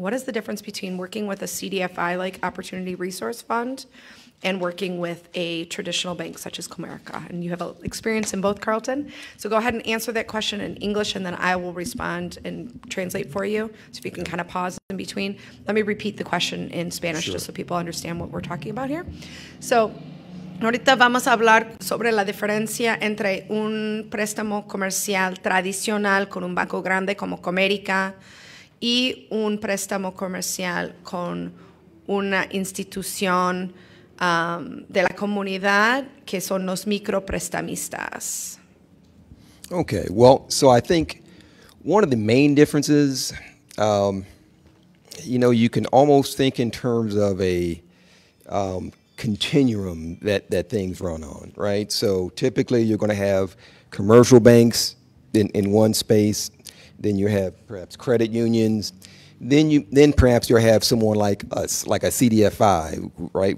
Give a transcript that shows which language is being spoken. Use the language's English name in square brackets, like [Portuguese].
[English] What is the difference between working with a CDFI, like Opportunity Resource Fund, and working with a traditional bank such as Comerica? And you have experience in both, Carlton. So go ahead and answer that question in English, and then I will respond and translate for you. So if you can kind of pause in between. Let me repeat the question in Spanish, sure, just so people understand what we're talking about here. [Spanish] So ahorita vamos a hablar sobre la diferencia entre un préstamo comercial tradicional con un banco grande como Comerica y un préstamo comercial con una institución de la comunidad, que son los microprestamistas. [English] Okay, well, so I think one of the main differences, you know, you can almost think in terms of a continuum that things run on, right? So typically you're going to have commercial banks in one space, then you have perhaps credit unions, then perhaps you'll have someone like us, like a CDFI, right?